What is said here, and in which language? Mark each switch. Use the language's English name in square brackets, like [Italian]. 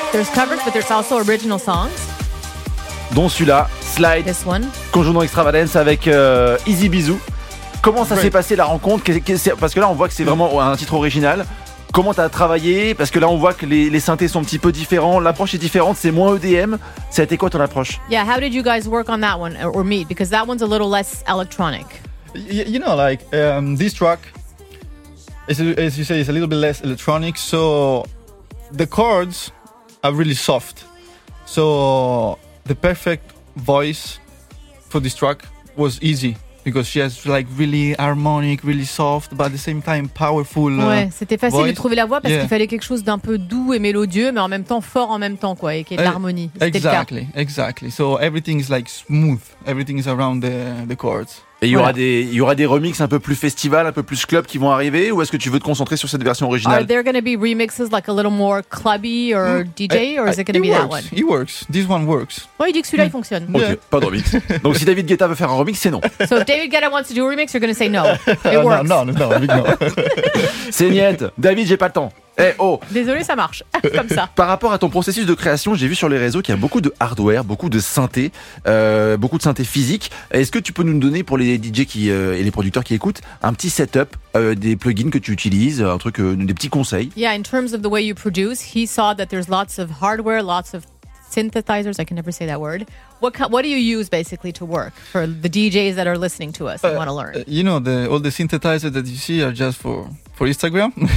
[English] There's covers, but there's also original songs. [French] Dont celui-là, Slide, Conjunto Extravagance avec Easy Bisou. Comment ça s'est passé la rencontre? Parce que là, on voit que c'est vraiment un titre original. Comment t'as travaillé? Parce que là, on voit que les synthés sont un petit peu différents. L'approche est différente, c'est moins EDM. Ça a été quoi ton approche? [English] Yeah, how did you guys work on that one or meet? Because that one's a little less electronic. You know, like this track, as you say, is a little bit less electronic. So the chords are really soft. So the perfect voice for this track was Easy because she has like really harmonic, really soft, but at the same time powerful. [French] Ouais, c'était facile de trouver la voix parce qu'il fallait quelque chose d'un peu doux et mélodieux, mais en même temps fort en même temps, quoi, et qui est de l'harmonie. [English] Exactly, exactly. So everything is like smooth. Everything is around the chords. [French] Et il y aura des remixes un peu plus festival, un peu plus club qui vont arriver, ou est-ce que tu veux te concentrer sur cette version originale? [English] Are there going to be remixes like a little more clubby or DJ, or is it going to be that one? It works. This one works. [French] Oui, il dit que celui-là, il fonctionne. Ok, pas de remix. Donc si David Guetta veut faire un remix, c'est non. [English] So if David Guetta wants to do a remix, you're going to say no. It works. No. [French] C'est niette. David, j'ai pas le temps. Hey, oh. Désolé, ça marche. Comme ça. Par rapport à ton processus de création, j'ai vu sur les réseaux qu'il y a beaucoup de hardware, beaucoup de synthés, beaucoup de synthés physiques. Est-ce que tu peux nous donner, pour les DJ et les producteurs qui écoutent, un petit setup, des plugins que tu utilises, un truc, des petits conseils? [English] Yeah, in terms of the way you produce, he saw that there's lots of hardware, lots of synthesizers, I can never say that word. What do you use basically to work for the DJs that are listening to us and want to learn? You know, all the synthesizers that you see are just for Instagram.